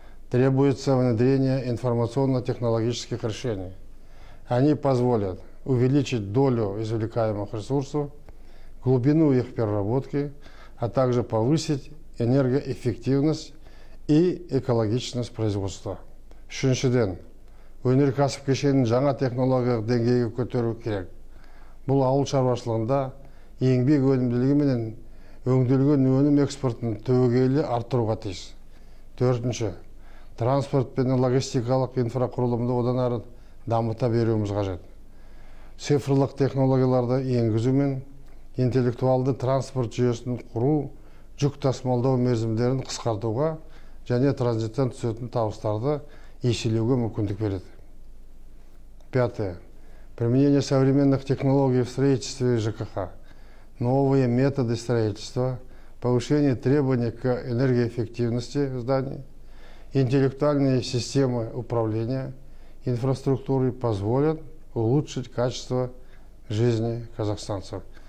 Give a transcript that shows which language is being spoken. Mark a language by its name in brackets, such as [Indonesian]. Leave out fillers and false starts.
[Russian] Требуется внедрение информационно-технологических решений. Они позволят увеличить долю извлекаемых ресурсов, глубину их переработки, а также повысить энергоэффективность и экологичность производства. [Kazakh] Үшінші ден, өнеркәсіп кешенін жаңа технологиялық деңгейге көтеру керек. Бұл ауыл шаруашылығында еңбек өнімділігі мен өңделген өнім экспортын түбегейлі арттыруға тиіс. Төртінші, транспорт пен логистикалық инфрақұрылымды одан ары дамыта беруіміз қажет. Цифрлық технологияларды енгізу мен интеллектуалды транспорт жүйесін құру жүк тасымалдау мерзімдерін қысқартуға және транзиттен түсетін табыстарды еселеуге мүмкіндік береді. [Russian] Пятое. Применение современных технологий в строительстве и ЖКХ. Новые методы строительства, повышение требований к энергоэффективности зданий, интеллектуальные системы управления инфраструктурой позволят улучшить качество жизни казахстанцев.